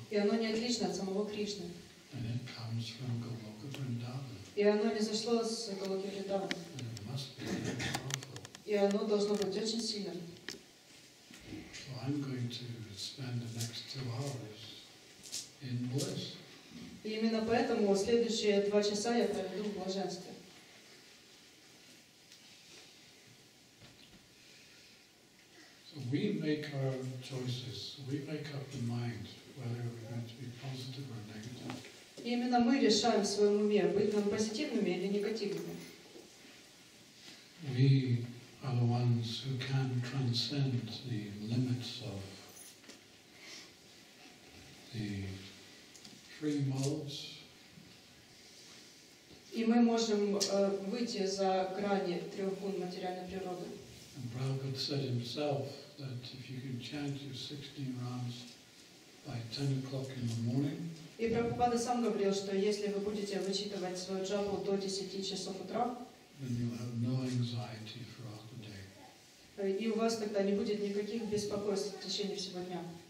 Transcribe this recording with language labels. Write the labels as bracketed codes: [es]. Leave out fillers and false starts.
[ru] И оно не отлично от самого Кришны. [en] And it comes from Goloka Vrindavan. [ru] И оно не зашло с Голоки Вриндавана. [en] And it must be very powerful. [ru] И оно должно быть очень сильным. [en] So I'm going to spend the next 2 hours in bliss. [ru] И именно поэтому следующие 2 часа я проведу в блаженстве. [en] We make our choices. We make up the mind whether we're going to be positive or negative. [ru] Именно мы решаем в своем уме быть нам позитивными или негативными. [en] We are the ones who can transcend the limits of the 3 modes. [ru] И мы можем выйти за грани 3 гун материальной природы. [en] And Prabhupada said himself that if you can chant your 16 rounds by 10 o'clock in the morning, [ru] и Прабхупада сам говорил, что если вы будете вычитывать свою джапу до 10 часов утра, [en] then you have no anxiety throughout the day. [ru] И у вас тогда не будет никаких беспокойств в течение всего дня.